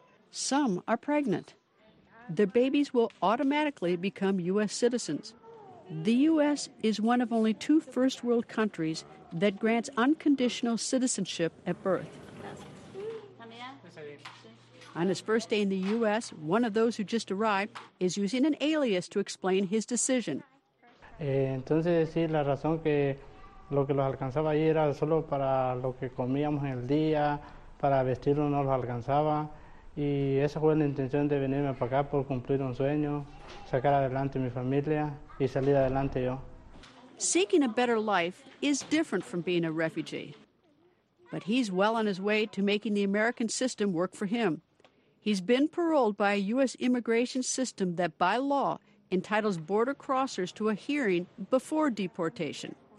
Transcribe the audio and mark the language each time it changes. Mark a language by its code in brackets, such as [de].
[en] Some are pregnant. Their babies will automatically become U.S. citizens. The U.S. is one of only two first world countries that grants unconditional citizenship at birth. On his first day in the U.S., one of those who just arrived is using an alias to explain his decision. [es] Entonces, sí, la razón que lo que los alcanzaba allí era solo para lo que comíamos en el día, para vestirnos los alcanzaba, y esa fue la intención de venirme para acá por cumplir un sueño, sacar adelante mi familia y salir adelante yo. [en] Seeking a better life is different from being a refugee. But he's well on his way to making the American system work for him. He's been paroled by a U.S. immigration system that, by law, entitles border crossers to a hearing before deportation.